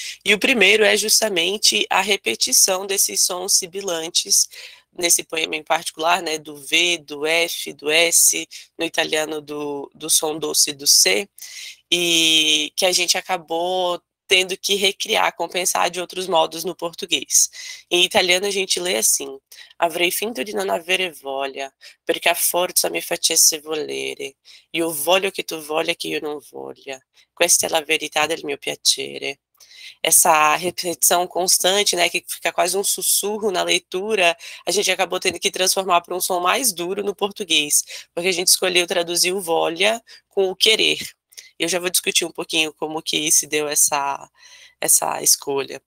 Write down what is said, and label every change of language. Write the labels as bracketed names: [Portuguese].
[Portuguese] E o primeiro é justamente a repetição desses sons sibilantes. Nesse poema em particular, né, do V, do F, do S, no italiano do som doce do C, e que a gente acabou tendo que recriar, compensar de outros modos no português. Em italiano a gente lê assim: [Italian] Avrei finto di non avere voglia, perché a forza mi facesse volere. Io voglio che tu voglia che io non voglia. Questa è la verità del mio piacere. [Portuguese] Essa repetição constante, né, que fica quase um sussurro na leitura, a gente acabou tendo que transformar para um som mais duro no português, porque a gente escolheu traduzir o voglia com o querer. Eu já vou discutir um pouquinho como que se deu essa escolha.